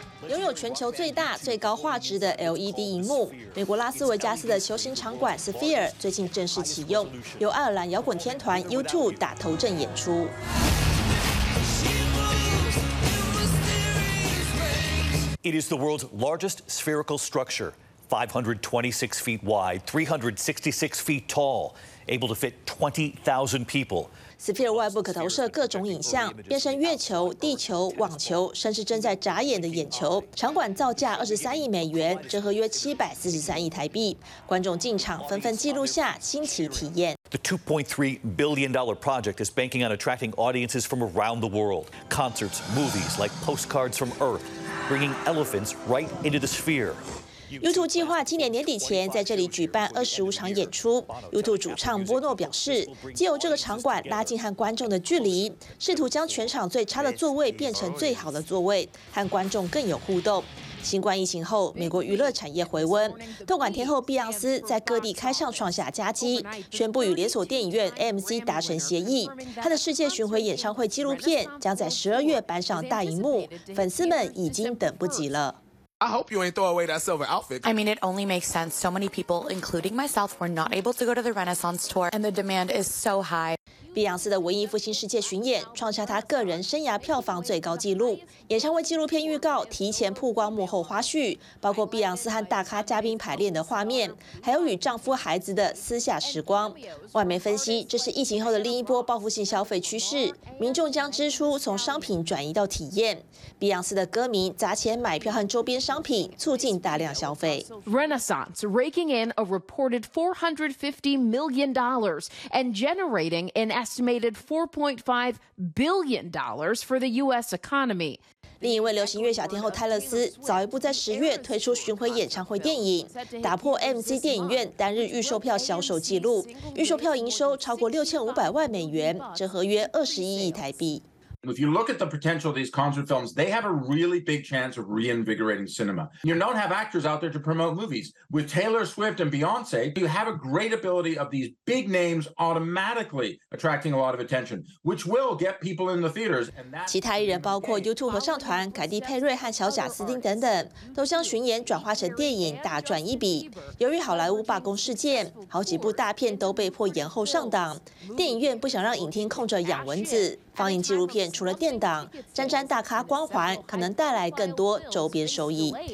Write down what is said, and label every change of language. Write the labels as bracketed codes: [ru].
[zh] 拥有全球最大、最高画质的 LED 荧幕，美国拉斯维加斯的球形场馆 Sphere 最近正式启用，由爱尔兰摇滚天团 U2 打头阵演出。 [en] It is the world's largest spherical structure, 526 feet wide, 366 feet tall, able to fit 20,000 people. [zh] Sphere 外部可投射各种影像，变身月球、地球、网球，甚至正在眨眼的眼球。场馆造价23亿美元，折合约743亿台币。观众进场纷纷记录下新奇体验。 [en] The $2.3 billion project is banking on attracting audiences from around the world. Concerts, movies, like postcards from Earth, bringing elephants right into the sphere. [zh] U2 计划今年年底前在这里举办25场演出。 U2 主唱波诺表示，借由这个场馆拉近和观众的距离，试图将全场最差的座位变成最好的座位，和观众更有互动。新冠疫情后，美国娱乐产业回温，动感天后碧昂斯在各地开唱创下佳绩，宣布与连锁电影院 AMC 达成协议。她的世界巡回演唱会纪录片将在12月搬上大荧幕，粉丝们已经等不及了。 [en] I hope you ain't throw away that silver outfit. I mean, it only makes sense. So many people, including myself, were not able to go to the Renaissance tour, and the demand is so high. [zh] 碧昂斯的文艺复兴世界巡演创下她个人生涯票房最高纪录。演唱会纪录片预告提前曝光幕后花絮，包括碧昂斯和大咖嘉宾排练的画面，还有与丈夫、孩子的私下时光。外媒分析，这是疫情后的另一波报复性消费趋势，民众将支出从商品转移到体验。碧昂斯的歌迷砸钱买票和周边商品，促进大量消费。 [en] Renaissance raking in a reported $450 million and generating an estimated $4.5 billion for the U.S. economy. [zh] 另一位流行乐小天后泰勒斯早一步在10月推出巡回演唱会电影，打破 AMC 电影院单日预售票销售纪录，预售票营收超过6500万美元，折合约21亿台币。 [en] If you look at the potential of these concert films, they have a really big chance of reinvigorating cinema. You don't have actors out there to promote movies. With Taylor Swift and Beyonce, you have a great ability of these big names automatically attracting a lot of attention, which will get people in the theaters. [zh] 其他艺人包括 YouTube 合唱团凯蒂佩瑞和小贾斯汀等等，都将巡演转化成电影大赚一笔。由于好莱坞罢工事件，好几部大片都被迫延后上档。电影院不想让影厅空着养蚊子。放映纪录片除了电档，沾沾大咖光环，可能带来更多周边收益。